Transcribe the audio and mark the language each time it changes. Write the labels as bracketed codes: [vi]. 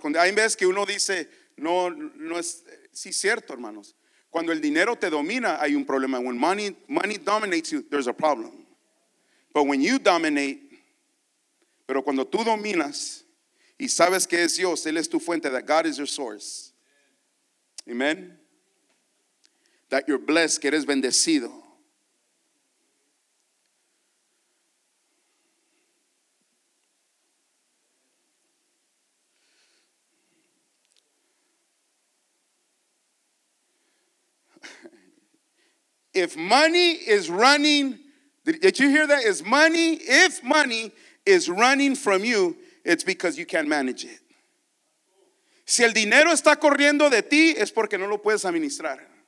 [es] Hay veces que uno dice, no, no es, sí, cierto, hermanos. Cuando el dinero te domina, hay un problema. [en] When money dominates you, there's a problem. But when you dominate, [es] pero cuando tú dominas y sabes que es Dios, Él es tu fuente, [en] that God is your source. Amen. That you're blessed, [es] que eres bendecido. [en] If money is running, did you hear that? If money is running from you, it's because you can't manage it. [es] Si el dinero está corriendo de ti, es porque no lo puedes administrar.